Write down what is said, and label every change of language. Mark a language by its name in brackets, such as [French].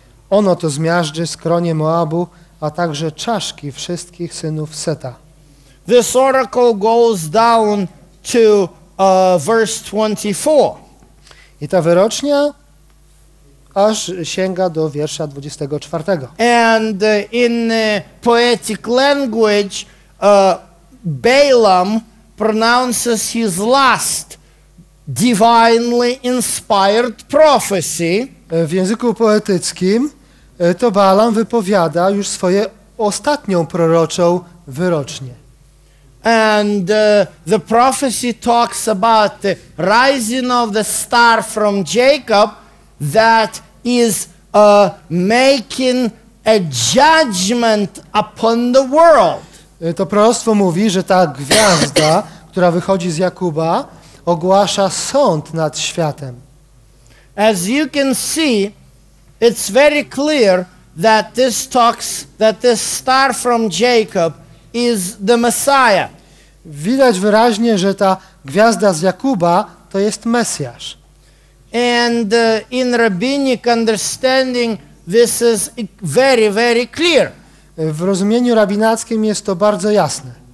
[Polish] Ono to zmiażdży skronie Moabu, a także czaszki wszystkich synów Seta. [English] This oracle goes down to verse 24. [Polish] I ta wyrocznia aż sięga do wiersza 24. [English] And in poetic language, Balaam pronounces his last divinely inspired prophecy. [Polish] W języku poetyckim to Balaam wypowiada już swoją ostatnią proroczą wyrocznię. [English] And the prophecy talks about the rising of the star from Jacob that is making a judgment upon the world. [Polish] To proroctwo mówi, że ta gwiazda, która wychodzi z Jakuba, ogłasza sąd nad światem. [English] As you can see, it's very clear that this talks, that this star from Jacob is the Messiah. [Polish] Widać wyraźnie, że ta gwiazda z Jakuba to jest Mesjasz. [English] And in rabbinic understanding, this is very, very clear. [Polish] W rozumieniu rabinackim jest to bardzo jasne.